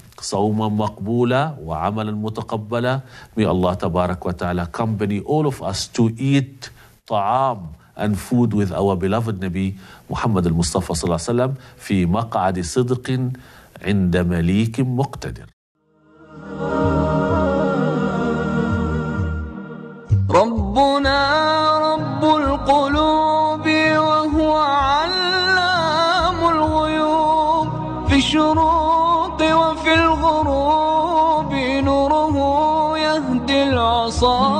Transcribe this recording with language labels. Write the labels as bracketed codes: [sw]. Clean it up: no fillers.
[ar] صوما مقبولا وعملا متقبلا. [en] May Allah tabarak wa ta'ala accompany all of us to eat ta'am and food with our beloved Nabi Muhammad al-Mustafa sallallahu alayhi wa sallam [ar] في مقعد صدق عند مليك مقتدر. ربنا رب القلوب وهو علام الغيوب في الشروق وفي الغروب نوره يهدي العصا.